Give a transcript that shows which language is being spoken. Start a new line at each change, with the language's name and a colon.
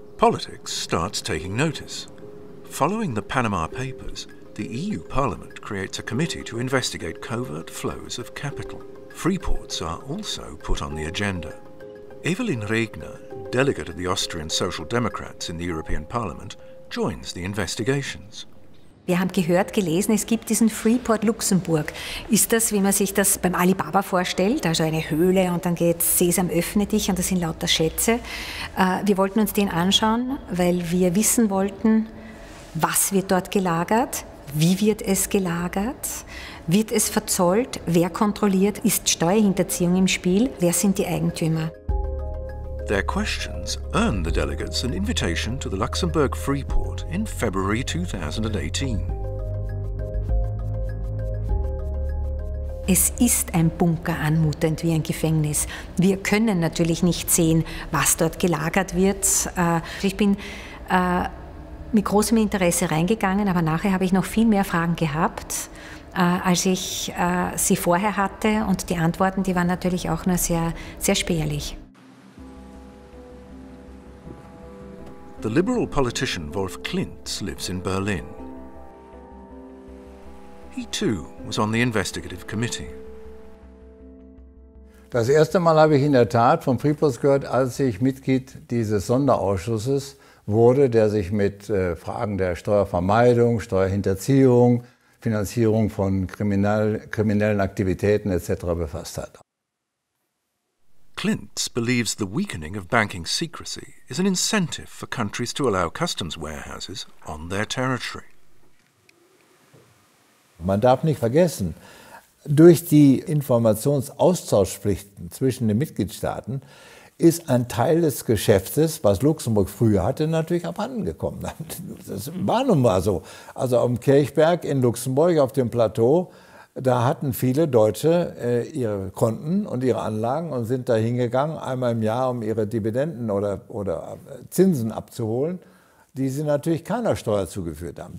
English: Politics starts taking notice. Following the Panama Papers, the EU Parliament creates a committee to investigate covert flows of capital. Freeports are also put on the agenda. Evelyn Regner, delegate of the Austrian Social Democrats in the European Parliament, joins the investigations.
German: Wir haben gehört, gelesen, es gibt diesen Freeport Luxemburg. Ist das, wie man sich das beim Alibaba vorstellt, also eine Höhle und dann geht Sesam, öffne dich und das sind lauter Schätze. Wir wollten uns den anschauen, weil wir wissen wollten, was wird dort gelagert, wie wird es gelagert, wird es verzollt, wer kontrolliert, ist Steuerhinterziehung im Spiel, wer sind die Eigentümer?
English: Their questions earn the delegates an invitation to the Luxembourg Freeport in February 2018.
German: Es ist ein Bunker anmutend wie ein Gefängnis. Wir können natürlich nicht sehen, was dort gelagert wird. Ich bin mit großem Interesse reingegangen, aber nachher habe ich noch viel mehr Fragen gehabt, als ich sie vorher hatte. Und die Antworten, die waren natürlich auch nur sehr, sehr spärlich.
English: The liberal politician Wolf Klintz lives in Berlin. He too was on the investigative committee.
German: Das erste Mal habe ich in der Tat von Freeports gehört, als ich Mitglied dieses Sonderausschusses wurde, der sich mit Fragen der Steuervermeidung, Steuerhinterziehung, Finanzierung von kriminellen Aktivitäten etc. befasst hat.
English: Klintz believes the weakening of banking secrecy is an incentive for countries to allow customs warehouses on their territory.
German: Man darf nicht vergessen, durch die Informationsaustauschpflichten zwischen den Mitgliedstaaten ist ein Teil des Geschäftes, was Luxemburg früher hatte, natürlich abhanden gekommen. Das war nun mal so. Also am Kirchberg in Luxemburg auf dem Plateau, da hatten viele Deutsche ihre Konten und ihre Anlagen und sind da hingegangen, einmal im Jahr, um ihre Dividenden oder Zinsen abzuholen, die sie natürlich keiner Steuer zugeführt haben.